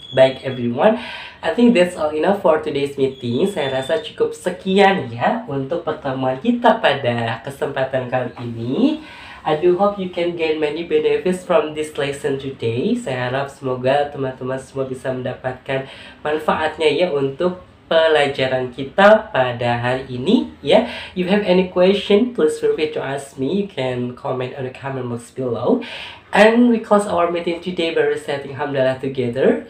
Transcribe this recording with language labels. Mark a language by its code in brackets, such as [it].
[id] Baik [en] everyone, I think that's all enough for today's meeting. [id] Saya rasa cukup sekian ya untuk pertemuan kita pada kesempatan kali ini. [en] I do hope you can gain many benefits from this lesson today. [id] Saya harap semoga teman-teman semua bisa mendapatkan manfaatnya ya untuk pelajaran kita pada hari ini, ya. [en] You have any question, please feel free to ask me. You can comment on the comment box below. And we close our meeting today by reciting Alhamdulillah together.